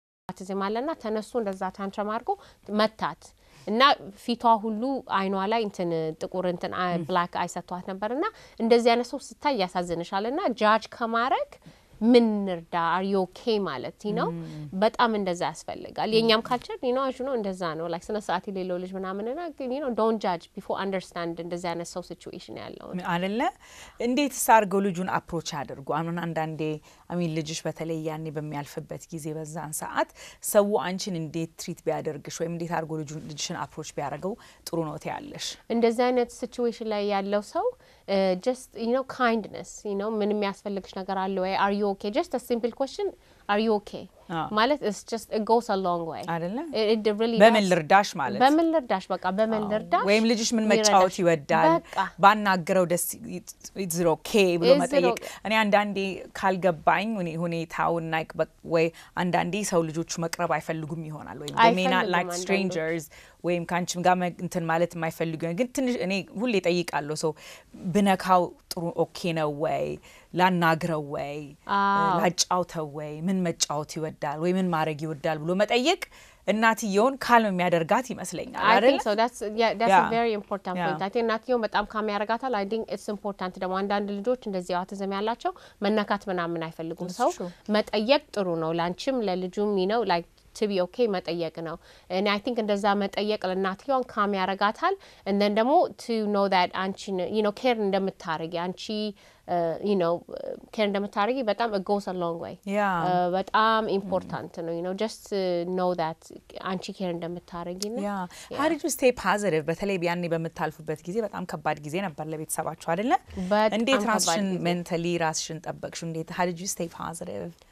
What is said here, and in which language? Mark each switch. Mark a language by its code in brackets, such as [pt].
[am] አትዘማለና ተነሱ እንደዛ ታንቸም አርጎ መጣት እና ፊቷ ሁሉ አይኗ ላይ እንትን ጥቁር እንትን ብላክ አይ ሰጥቷት ነበርና እንደዚህ አይነት ሰው ስታይ ያሳዝነሻልና ጃጅ ከማረክ ምን እርዳ አር ዩ ኦኬ ማለት ዩ ነው በጣም እንደዛ ያስፈልጋል የኛም ካልቸር ዩ ነው አሽ ነው እንደዛ ነው ላይክ ስነ ስርዓት የሌለው ልጅ ምናምንና ግን ዩ ነው [en] ዶንት ጃጅ ቢፎር አንደርስታንድ [am] እንደዛ አይነት ሰው ሲቹዌሽን ያለው አይደለ እንዴት ሳርገው ልጁን አፕሮች አድርጉ አሁን አንዳንዴ አሚን ልጅሽ በተለይ ያኔ በሚያልፍበት ጊዜ በዛን ሰዓት ሰው አንቺን እንዴት ትሪት ቢያደርግሽ ወይም እንዴት አርጎ ልጅሽን አፕሮች ቢያደርገው ጥሩ ነው ታያለሽ እንደዛ አይነት ሲቹዌሽን ላይ ያለው ሰው [en] just you know kindness you know [am] ምን የሚያስፈልግሽ ነገር አለ ወይ [en] are you okay just a simple question are you okay ማለት is just it goes a long way [am] አይደለ [en] it really [am] በምን ልርዳሽ ማለት በምን ልርዳሽ በቃ በምን ልርዳሽ ወይም ልጅሽ ምን መጫወት ይወዳል ባናገረው ደስ it's okay ብሎ መጠየቅ እኔ አንዳንዴ ካልገባኝ ሁኔታው ናይክ ወይ አንዳንዴ ሰው ልጆች መቅረብ አይፈልጉም ይሆናል ወይ [en] they may not like strangers [am] ወይም ካንቺም ጋር እንትን ማለት የማይፈልጉ ግን ትንሽ እኔ ሁሌ ጠይቃለሁ ሰው ብነካው ጥሩ ኦኬ ነው ወይ ላናግረው ወይ ላጫውተው ወይ ምን መጫወት ይወዳል ወይ ምን ማድረግ ይወዳል ብሎ መጠየቅ እናትየውን ካልም የሚያደርጋት ይመስለኛል አይደል? [en] I think so. That's a very important point. I think [am] እናትየውን በጣም ካም ያደርጋታል. [en] I think it's important [am] ደግሞ አንዳንድ ልጆች እንደዚህ አውቲዝም ያላቸው መነካት ምናምን አይፈልጉም ሰው መጠየቅ ጥሩ ነው ላንቺም ለልጁም [en] you know like to be okay [am] መጠየቅ ነው and I think እንደዛ መጠየቅ ለናትዮን ካም ያረጋታል and then ደሞ to know that አንቺ you know care እንደምታረጊ አንቺ you know care እንደምታረጊ በጣም [en] it goes a long way yeah [am] በጣም [en] important ነው you know just to know that አንቺ care እንደምታረጊ ነው yeah how did you stay positive [am] በተለይ ቢያንኔ በመታልፉበት ጊዜ በጣም ከባድ ጊዜ ነበር ለቤተሰባችሁ አይደለ እንዴት ራስሽን mentally ራስሽን ጠበቅሽ እንዴት [en] how did you stay positive